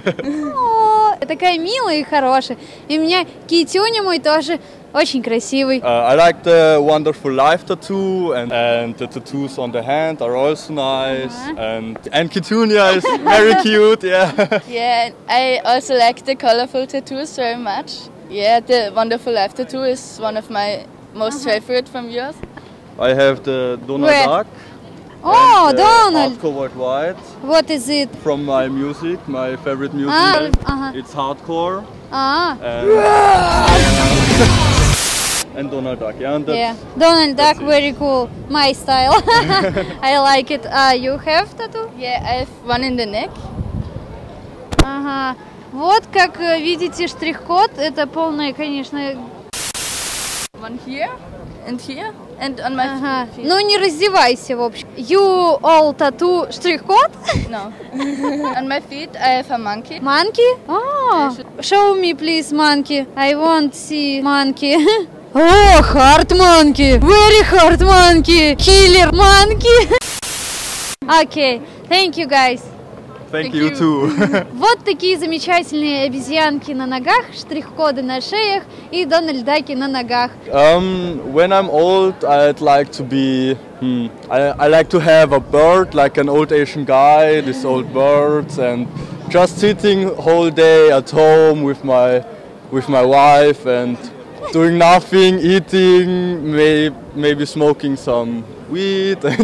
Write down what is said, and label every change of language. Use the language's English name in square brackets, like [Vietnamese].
[Russian] Oh, такая милая и хорошая. И у меня Китюня мой тоже. Очень красивый. [English] I like the wonderful life tattoo and the tattoos on the hand are also nice. Uh-huh. And Kitunia is very cute, yeah. Yeah, I also like the colorful tattoos very much. Yeah, the wonderful life tattoo is one of my most uh-huh. favorite from yours. I have the Donald Where? Duck. Oh, and, Donald! Hardcore White. What is it? From my music, my favorite music. Uh-huh. It's hardcore. Uh-huh. And Donald Duck, yeah? And yeah, Donald Duck, very cool. My style. I like it. You have tattoo? Yeah, I have one in the neck. [Russian] Ага. Вот, как видите, штрих-код. Это полное, конечно... [English] One here, and here, and on my uh-huh. feet. [Russian] Ну, не раздевайся, в общем. [English] You all tattoo [Russian] штрих-код? [English] No. On my feet, I have a monkey. Monkey? Oh. Show me, please, monkey. I want to see monkey. Oh, hard monkey, very hard monkey, killer monkey. Okay, thank you guys. Thank you too. [Russian] Вот такие замечательные обезьянки на ногах, штрих-коды на шеях и Дональд Даки на ногах. [English] When I'm old, I'd like to be. I like to have a bird, like an old Asian guy, this old bird, and just sitting whole day at home with my wife and. Doing nothing, eating, maybe smoking some weed.